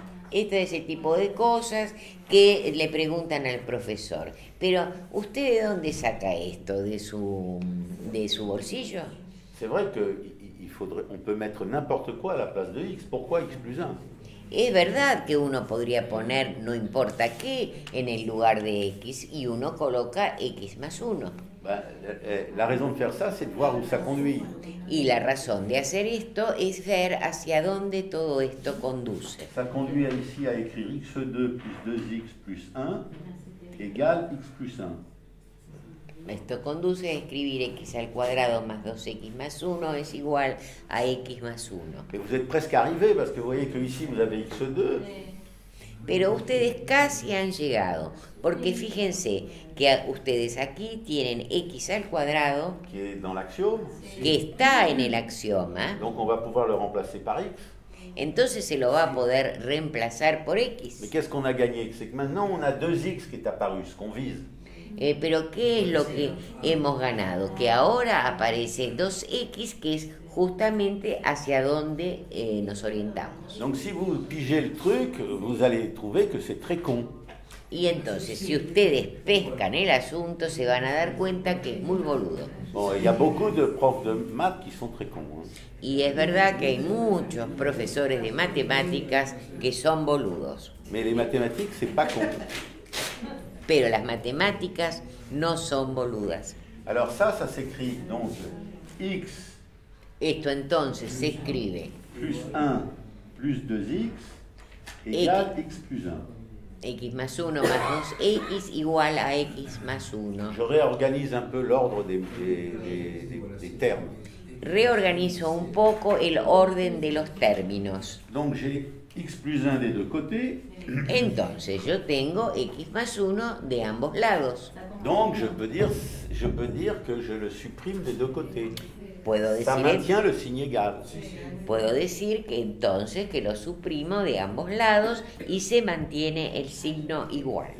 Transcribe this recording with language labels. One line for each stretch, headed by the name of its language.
Spanish: Este es el tipo de cosas que le preguntan al profesor. Pero, ¿usted de dónde saca esto? ¿De su bolsillo?
French: C'est vrai que il faudrait, on peut mettre n'importe quoi à la place de X. Pourquoi X plus 1?
Spanish: Es verdad que uno podría poner no importa qué en el lugar de X y uno coloca X más 1.
French: La raison de faire ça, c'est de voir où ça conduit.
Spanish: Y la razón de hacer esto es ver hacia dónde todo esto conduce.
French: Ça conduit ici à écrire X2 plus 2X plus 1 égale X plus 1.
Spanish: Esto conduce a escribir x al cuadrado más 2x más 1 es igual a x más 1.
French: Mais vous êtes presque arrivé parce que vous voyez que ici vous avez x2.
Spanish: Pero ustedes casi han llegado, porque fíjense que ustedes aquí tienen x al cuadrado
French: que est dans l'axiome.
Spanish: Que está en el axioma.
French: Donc on va pouvoir le remplacer par x.
Spanish: Entonces se lo va a poder reemplazar por x.
French: Mais qu'est-ce qu'on a gagné? C'est que maintenant on a 2x qui est apparu, ce qu'on vise.
Spanish: Pero ¿qué es lo que hemos ganado? Que ahora aparece 2x, que es justamente hacia donde nos orientamos.
French: Donc si vous pigez le truc, vous allez trouver que c'est très con.
Spanish: Y entonces, si ustedes pescan el asunto, se van a dar cuenta que es muy boludo.
French: Bon, il y a beaucoup de profs de maths qui sont très cons. Hein.
Spanish: Y es verdad que hay muchos profesores de matemáticas que son boludos.
French: Mais les mathématiques, c'est pas con.
Spanish: Pero las matemáticas no son boludas.
French: Alors ça s'écrit donc x.
Spanish: Esto entonces se escribe.
French: Plus 1 plus 2x égale x plus 1.
Spanish: X más 1 más 2x igual a x más 1.
French: Je réorganise un peu l'ordre des termes.
Spanish: Reorganizo un poco el orden de los términos.
French: Donc j'ai x plus 1 des deux côtés.
Spanish: Entonces yo tengo x más 1 de ambos lados.
French: Donc je peux dire que je le supprime des deux côtés.
Spanish: Puedo decir,
French: ça maintient le signe égal.
Spanish: Puedo decir que entonces que lo suprimo de ambos lados y se mantiene el signo igual.